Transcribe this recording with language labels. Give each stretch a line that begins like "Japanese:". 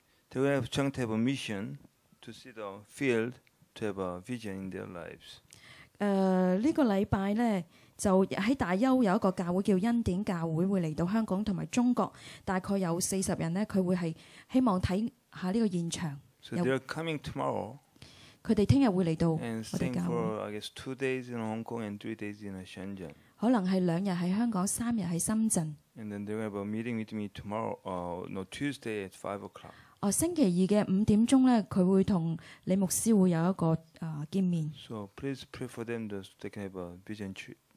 English: They're going to have a mission to see the field to have a vision in their lives.
Cantonese: 呢個禮拜咧。就喺大邱有一個教會叫恩典教會，會嚟到香港同埋中國，大概有40人咧，佢會係希望睇下呢個現場。
English: So they are coming tomorrow.
Cantonese: 佢哋聽日會嚟到我哋教會。
English: And staying for I guess 2 days in Hong Kong and 3 days in Shenzhen.
Cantonese: 可能係2日喺香港，3日喺深圳。
English: And then they have a meeting with me tomorrow, Tuesday at 5 o'clock.
Cantonese: 星期二嘅5點鐘咧，佢會同李牧師會有一個見面。
English: So please pray for them that they can have a vision trip.